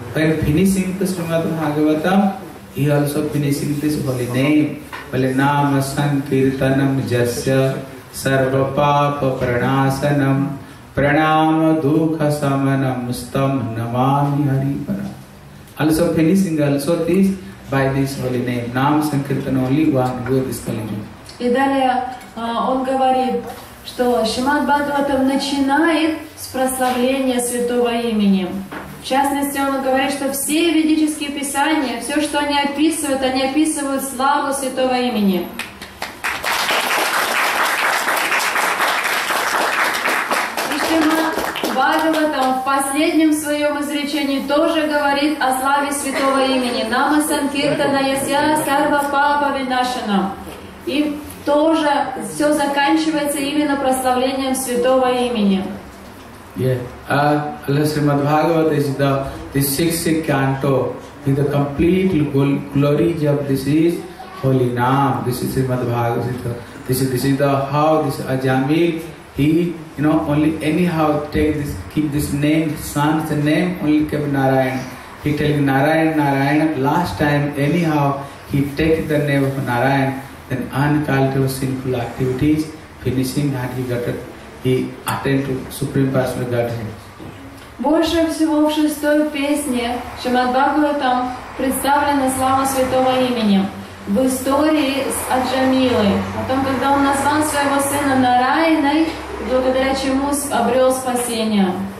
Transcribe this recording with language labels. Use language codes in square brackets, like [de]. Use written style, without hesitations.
[en] When finishing the Srimad Bhagavatam, he also finishing this holy name. [sa] Vale Nama Sankirtanam Jasya Sarva Papa Pranasanam Pranama Dukha Samanam Stam Namami Hari Param. [en] Also finishing also this by this holy name. Nama Sankirtan only one word this Kali Yuga. [ru] И далее он говорит, что Шримад Бхагаватам начинает с прославления Святого Имени. В частности, он говорит, что все ведические писания, все, что они описывают славу Святого Имени. И Шримад Бхагаватам в последнем своем изречении тоже говорит о славе Святого Имени. [sa] Нама Санкиртана Ясья Сарва Папа Винашана. [ru] И тоже все заканчивается именно прославлением Святого Имени. [en] Yeah, Srimad Bhagavat is the sixth canto in the complete glory of this is holy name. This is Srimad Bhagavat. This is the how this Ajamil, he, you know, only anyhow keep this name, son's name, only kept Narayan. He telling Narayan, Narayan, last time anyhow he take the name of Narayan. Then uncultured sinful activities, finishing that he attained to Supreme Personal Godhead. [ru] Больше всего в шестой песне Шримад Бхагаватам представлена слава Святого Имени. В истории с Аджамилой, о том, когда он назвал своего сына Нараяной, благодаря чему обрел спасение.